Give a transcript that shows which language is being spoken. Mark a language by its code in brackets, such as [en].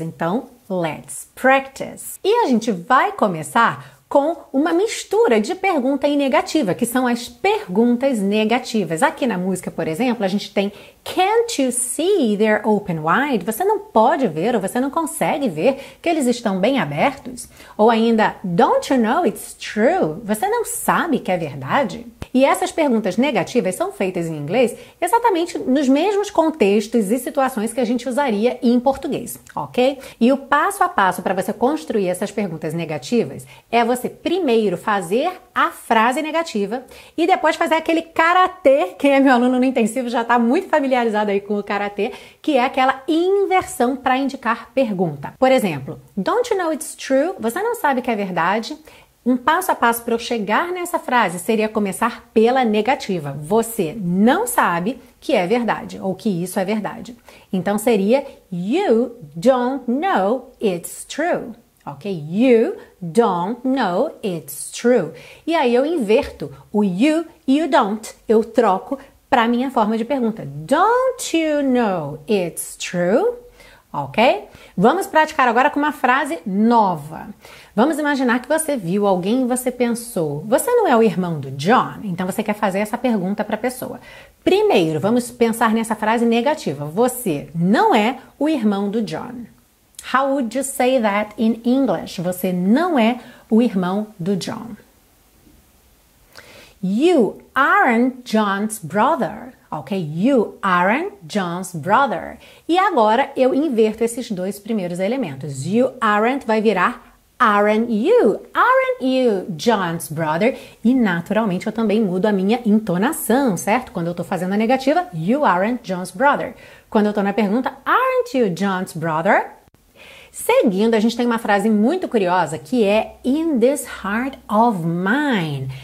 [pt] Então, [en] let's practice. [pt] E a gente vai começar com uma mistura de pergunta e negativa, que são as perguntas negativas. Aqui na música, por exemplo, a gente tem [en] Can't you see they're open wide? [pt] Você não pode ver ou você não consegue ver que eles estão bem abertos? Ou ainda [en] Don't you know it's true? [pt] Você não sabe que é verdade? E essas perguntas negativas são feitas em inglês exatamente nos mesmos contextos e situações que a gente usaria em português, ok? E o passo a passo para você construir essas perguntas negativas é você primeiro fazer a frase negativa e depois fazer aquele karatê. Quem é meu aluno no intensivo já está muito familiarizado aí com o karatê, que é aquela inversão para indicar pergunta. Por exemplo, [en] Don't you know it's true? [pt] Você não sabe que é verdade? Um passo a passo para eu chegar nessa frase seria começar pela negativa. Você não sabe que é verdade ou que isso é verdade. Então seria [en] You don't know it's true. Ok? You don't know it's true. [pt] E aí eu inverto o you e o don't. Eu troco para a minha forma de pergunta. [en] Don't you know it's true? Ok? [pt] Vamos praticar agora com uma frase nova. Vamos imaginar que você viu alguém e você pensou, você não é o irmão do John? Então você quer fazer essa pergunta para a pessoa. Primeiro, vamos pensar nessa frase negativa. Você não é o irmão do John. [en] How would you say that in English? [pt] Você não é o irmão do John. [en] You aren't John's brother. Ok? You aren't John's brother. [pt] E agora eu inverto esses dois primeiros elementos. [en] You aren't [pt] vai virar [en] aren't you. Aren't you John's brother? [pt] E naturalmente eu também mudo a minha entonação, certo? Quando eu tô fazendo a negativa, [en] you aren't John's brother. [pt] Quando eu tô na pergunta, [en] aren't you John's brother? [pt] Seguindo, a gente tem uma frase muito curiosa que é [en] in this heart of mine.